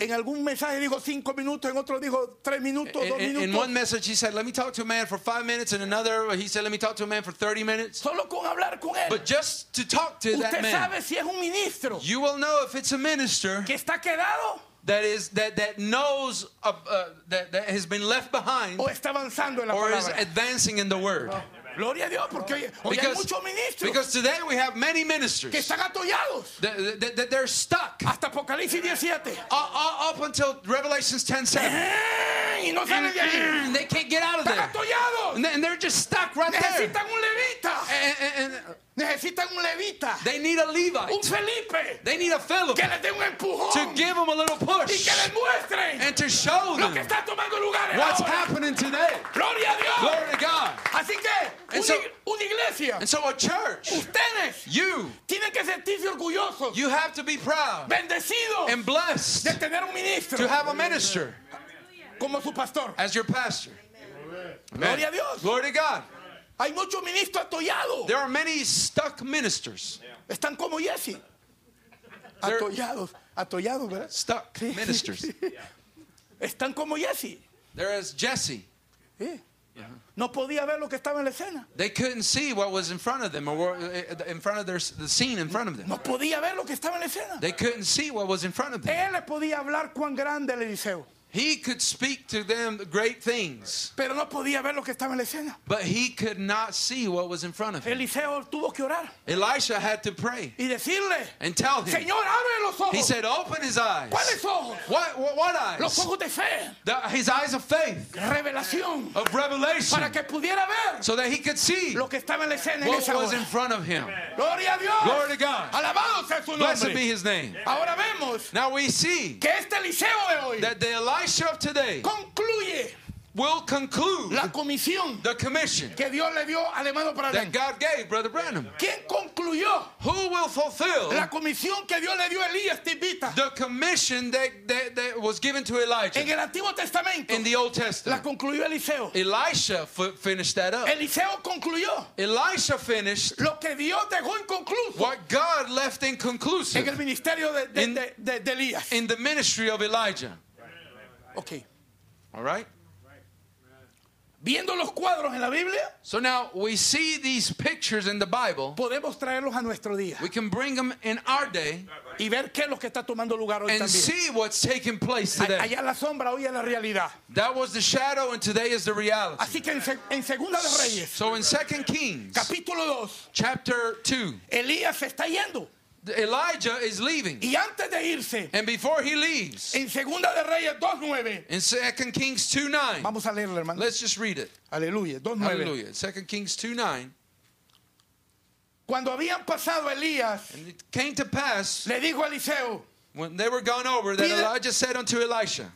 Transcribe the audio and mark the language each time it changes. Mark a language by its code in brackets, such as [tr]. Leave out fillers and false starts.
[es] En algún mensaje dijo 5 minutos, en otro dijo 3 minutos, 2 minutos. [en] In one message he said, let me talk to a man for 5 minutes, and another he said, let me talk to a man for 30 minutes. [es] Solo con hablar con él. [en] But just to talk to [es] usted [en] that man. [es] Usted sabe si es un ministro. [en] You will know if it's a minister. [es] Que está quedado. [en] That has been left behind. [es] O está avanzando en la [en] or [es] palabra. [en] Or is advancing in the word. Oh. [es] Gloria a Dios, porque hoy hay muchos ministros. [en] Because today we have many ministers. [es] Que están atollados. [en] That they're stuck. [es] Hasta Apocalipsis 17. [en] Up until Revelation 10:7. [es] Y no salen de allí. [en] They can't get out of there. [es] Están atollados. [en] And they're just stuck right [es] necesitan [en] there. [es] Necesitan un levita. Necesitan un levita. [en] They need a Levite. [es] Un Felipe. [en] They need a Philip. [es] Que les dé un empujón. [en] To give them a little push. [es] Y que les muestren. [en] And to show them. [es] Lo que está tomando lugar en [en] what's [es] ahora. [en] Happening today. [es] Gloria a Dios. [en] Glory to God. [es] Así que. [en] And so, [es] una iglesia, [en] and so a church, [es] ustedes, [en] you, [es] tienen que sentirse orgullosos, [en] you have to be proud, [es] bendecidos, [en] and blessed, [es] de tener un ministro, [en] to have a minister, [es] como su pastor, [en] as your pastor. [es] Amen. Gloria a Dios. [en] Glory to God. [es] Hay muchos ministros atollados. [en] There are many stuck ministers. [es] Están como Jesse. Atollados, atollados, ¿verdad? [en] Stuck ministers. [es] Están como Jesse. [en] There is Jesse. [es] No podía ver lo que estaba en la escena. [en] They couldn't see what was in front of them or in front of their the scene in front of them. [es] No podía ver lo que estaba en la escena. [en] They couldn't see what was in front of them. [es] Él le podía hablar cuán grande el Eliseo. [en] He could speak to them great things. [es] Pero no podía ver lo que estaba en la escena. [en] But he could not see what was in front of him. [es] Eliseo tuvo que orar. [en] Elisha had to pray. [es] Y decirle, [en] and tell him. [es] Señor, abre los ojos. [en] He said, open his eyes. [es] ¿Cuáles ojos? [en] What eyes? [es] Los ojos de fe. [en] His eyes of faith. [es] Revelación. [en] Of revelation. [es] Para que pudiera ver. [en] So that he could see. [es] Lo que estaba en la escena [en] what [es] en esa [en] was [es] hora. [en] In front of him. [es] Gloria a Dios. [en] Glory to God. [es] Alabado sea su [en] blessed [es] nombre. [en] Be his name. [es] Ahora vemos. [en] Now we see. [es] Que este Eliseo de hoy. [en] That the Elisha of today [es] concluye [en] will conclude [es] la comisión [en] the commission [es] que Dios le dio al hermano Branham. [en] That God gave Brother Branham. [es] ¿Quién concluyó? [en] Who will fulfill [es] la comisión que Dios le dio a Elías Tibita? [en] The commission that was given to Elijah. [es] En el Antiguo Testamento. [en] In the Old Testament. [es] La concluyó Eliseo. [en] Elisha finished that up. [es] Eliseo concluyó. [en] Elisha finished [es] lo que Dios dejó inconcluso. [en] What God left inconclusive. [es] En el ministerio de Elías. [en] In the ministry of Elijah. Okay. All right. [es] Viendo los cuadros en la Biblia, [en] so now we see these pictures in the Bible. [es] Podemos traerlos a nuestro día. [en] We can bring them in our day. [es] Y ver qué es lo que está tomando lugar hoy [en] and [es] también. [en] See what's taking place today. [es] Allá la sombra, hoy es la realidad. [en] That was the shadow and today is the reality. [es] Así que en Segunda de Reyes, [en] so in 2 Kings, [es] capítulo 2, [en] chapter 2, [es] Elías está yendo. [en] Elijah is leaving. [es] Y antes de irse, [en] and before he leaves, [es] en Segunda de Reyes 2:9, [en] in 2 Kings 2:9, [es] vamos a leerlo, hermano. [en] Let's just read it. [es] Aleluya, 2:9. [en] Hallelujah. 2 Kings 2:9. [es] Cuando habían pasado Elías, [en] and it came to pass, [es] le dijo a Eliseo, [en] when they were gone over, that Elijah said unto Elisha,